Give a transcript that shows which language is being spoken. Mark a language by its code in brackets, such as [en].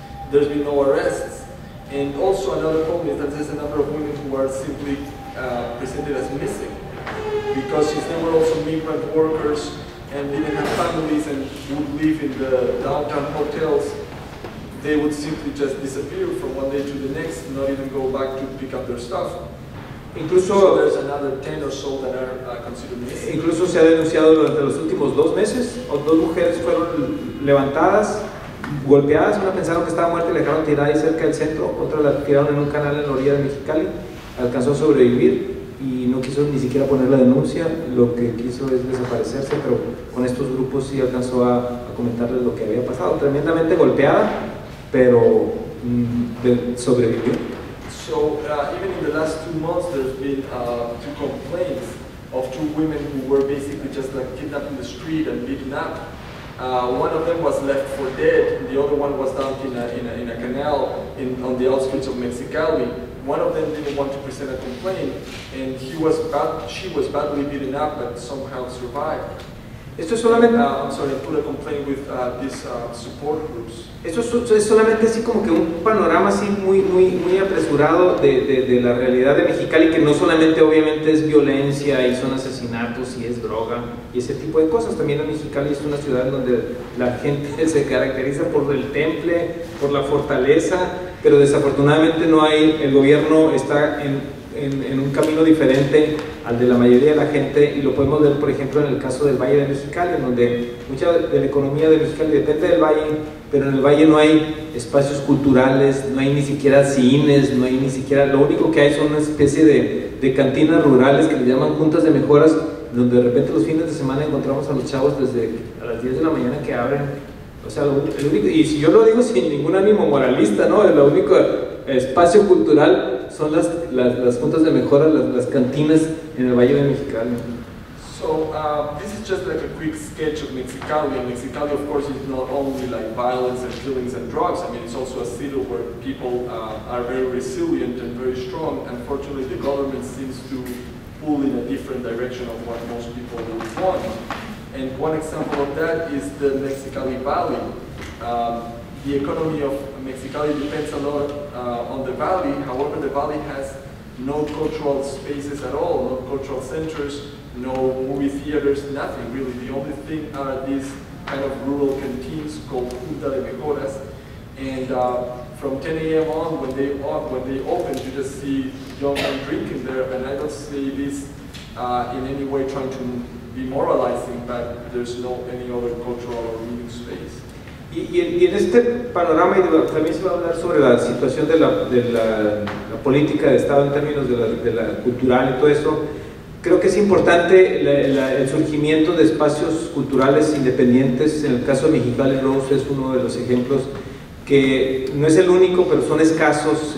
[en] There's been no arrests, and also another problem is that there's a number of women who are simply presented as missing, because since they were also migrant workers and didn't have families and would live in the downtown hotels, they would simply just disappear from one day to the next, not even go back to pick up their stuff. [es] Incluso, [en] so there's another 10 or so that are considered missing. [es] Incluso se ha denunciado durante los últimos dos meses, o dos mujeres fueron levantadas, golpeadas, una pensaron que estaba muerta y la dejaron tirada ahí cerca del centro, otra la tiraron en un canal en la orilla de Mexicali, alcanzó a sobrevivir y no quiso ni siquiera poner la denuncia, lo que quiso es desaparecerse, pero con estos grupos sí alcanzó a comentarles lo que había pasado. Tremendamente golpeada, pero sobrevivió. [en] So, even in the last 2 months, there's been two complaints of two women who were basically just like kidnapped in the street and beaten up. One of them was left for dead, and the other one was dumped in a canal on the outskirts of Mexicali. One of them didn't want to present a complaint, and she was badly beaten up, but somehow survived. [es] Esto es solamente, [en] put a complaint with these support groups. [es] Esto es solamente así como que un panorama así muy apresurado de la realidad de Mexicali, que no solamente obviamente es violencia y son asesinatos y es droga y ese tipo de cosas. También en Mexicali es una ciudad donde la gente se caracteriza por el temple, por la fortaleza, pero desafortunadamente no hay, el gobierno está en un camino diferente al de la mayoría de la gente, y lo podemos ver por ejemplo en el caso del Valle de Mexicali, en donde mucha de la economía de Mexicali depende del Valle, pero en el Valle no hay espacios culturales, no hay ni siquiera cines, no hay ni siquiera, lo único que hay son una especie de cantinas rurales que le llaman juntas de mejoras, donde de repente los fines de semana encontramos a los chavos desde a las 10 de la mañana que abren. O sea, el único, y si yo lo digo sin ningún ánimo moralista, ¿no? El único espacio cultural son las juntas de mejora, las cantinas en el Valle de Mexicali. [en] So this is just like a quick sketch of Mexicali. And Mexicali, of course, is not only like violence and killings and drugs. I mean, it's also a city where people are very resilient and very strong. Unfortunately, the government seems to pull in a different direction of what most people would want. And one example of that is the Mexicali Valley. The economy of Mexicali depends a lot on the valley. However, the valley has no cultural spaces at all, no cultural centers, no movie theaters, nothing really. The only thing are these kind of rural canteens called Junta de Mejoras. And from 10 a.m. on, when they open, you just see young men drinking there. And I don't see this in any way trying to be moralizing, but there's no any other cultural or meaning space. [es] Y en este panorama, y también se va a hablar sobre la situación de la política de Estado en términos de la cultural y todo eso, creo que es importante el surgimiento de espacios culturales independientes. En el caso de Mexicali Rose es uno de los ejemplos, que no es el único, pero son escasos.